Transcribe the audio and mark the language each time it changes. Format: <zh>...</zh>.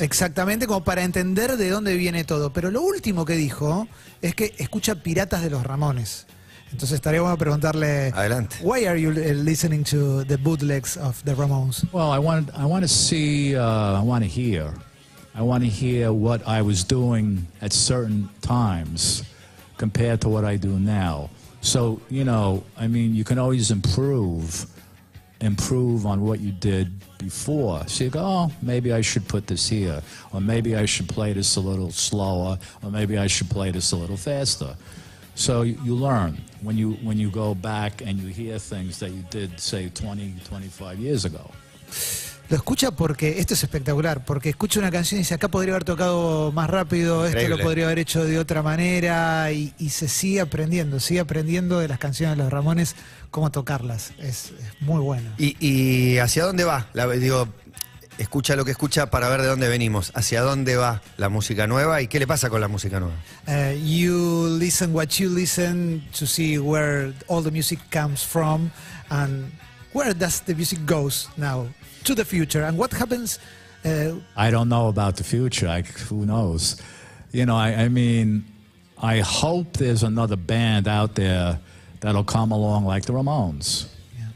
<es>Exactamente, como para entender de dónde viene todo. Pero lo último que dijo es que escucha Piratas de los Ramones. Entonces estaría bueno preguntarle. Adelante.</es> <en>Why are you listening to the bootlegs of the Ramones? Well, I want to hear what I was doing at certain times, compared to what I do now. So, you know, I mean, you can always improve on what you did before. So you go, oh, maybe I should put this here, or maybe I should play this a little slower, or maybe I should play this a little faster. So you learn when you go back and you hear things that you did, say, 20, 25 years ago.</en> <es>Lo escucha porque esto es espectacular, porque escucha una canción y dice, acá podría haber tocado más rápido, esto lo podría haber hecho de otra manera, y se sigue aprendiendo de las canciones de los Ramones, cómo tocarlas. Es muy bueno. ¿Y hacia dónde va? Escucha lo que escucha para ver de dónde venimos. ¿Hacia dónde va la música nueva y qué le pasa con la música nueva?</es> <en>You listen what you listen to see where all the music comes from and where does the music goes now? To the future, and what happens? I don't know about the future. Who knows? You know, I mean, I hope there's another band out there that'll come along like the Ramones, yeah.</en>